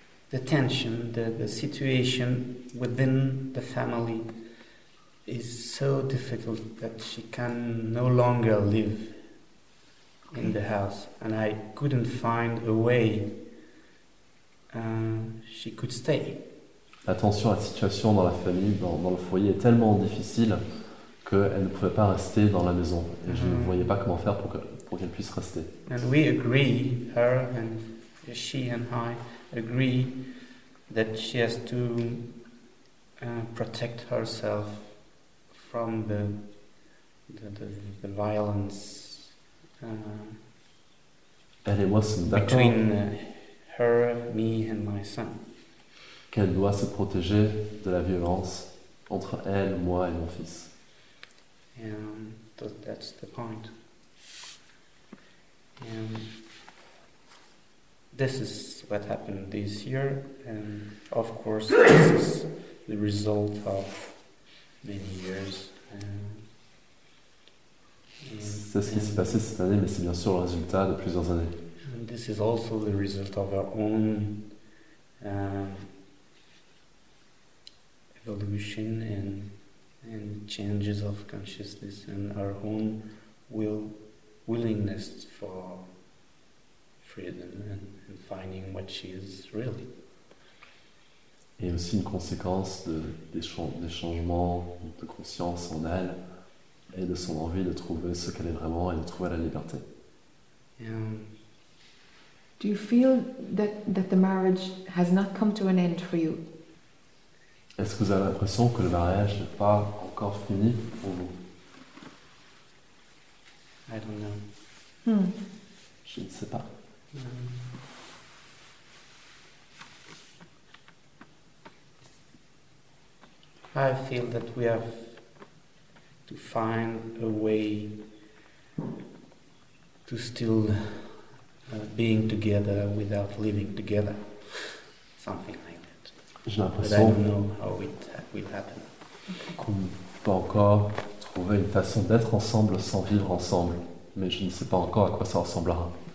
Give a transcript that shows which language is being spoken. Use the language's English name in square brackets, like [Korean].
[English] The tension, the situation within the family is so difficult that she can no longer live in the house, and I couldn't find a way she could stay. [French] La tension, la situation dans la famille, dans le foyer est tellement difficile qu'elle ne pouvait pas rester dans la maison, et je ne voyais pas comment faire pour qu'elle puisse rester. [English] And we agree, her and she and I agree that she has to protect herself from the violence Between her, me and my son. [French] Qu'elle doit se protéger de la violence entre elle, moi et mon fils. [English] And that's the point. And this is what happened this year, and of course this is the result of many years. [French] C'est ce qui s'est passé cette année, mais c'est bien sûr le résultat de plusieurs années. [English] And this is also the result of our own evolution and changes of consciousness and our own willingness for freedom and finding what she is really. [French] Et aussi une conséquence de des changements de conscience en elle et de son envie de trouver ce qu'elle est vraiment et de trouver la liberté. [English] Do you feel that the marriage has not come to an end for you? [French] Est-ce que vous avez l'impression que le mariage n'est pas encore fini pour vous? [English] I don't know. [French] Je ne sais pas. [English] I feel that we have to find a way to still being together without living together. Something like that. [French] J'ai l'impression [English] but I don't know how it will happen. [French] Qu'on ne peut pas encore trouver une façon d'être ensemble sans vivre ensemble. Mais je ne sais pas encore à quoi ça ressemblera.